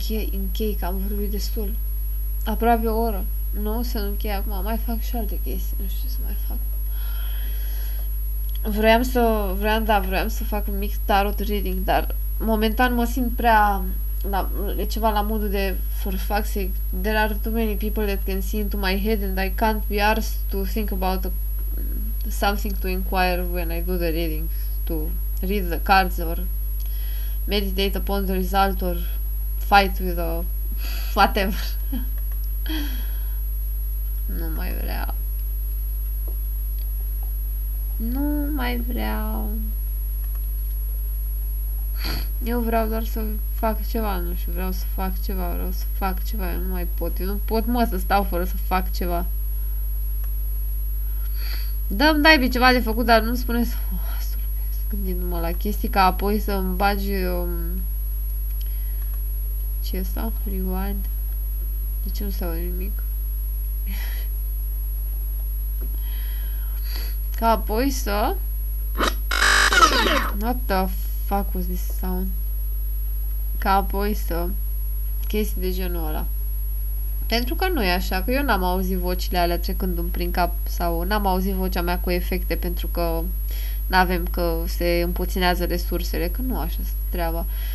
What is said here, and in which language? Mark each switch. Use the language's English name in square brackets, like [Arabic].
[Romanian] Închei, că am vorbit destul. Aproape o oră. Nu, să nu închei acum. Mai fac și alte chestii. Nu știu ce să mai fac. Vreau să fac un mic tarot reading, dar momentan mă simt prea ceva la modul de [English] for fuck's sake. There are too many people that can see into my head and I can't be arsed to think about something to inquire when I do the reading. To read the cards or meditate upon the result or fight with a... whatever. [Romanian] Nu mai vreau. Eu vreau doar să fac ceva, nu știu, vreau să fac ceva, eu nu mai pot, eu nu pot, mă, să stau fără să fac ceva. Dă-mi dai bine ceva de făcut, dar nu-mi spune să gândindu-mă la chestii ca apoi să îmi bagi ce asta? Rewind. De ce nu se aude nimic? Ca apoi să... [English] What the fuck was this sound? [Romanian] Ca apoi să... Chestii de genul ăla. Pentru că nu e așa, că eu n-am auzit vocile alea trecându-mi prin cap sau n-am auzit vocea mea cu efecte pentru că n-avem, că se împuținează resursele, că nu așa se treaba.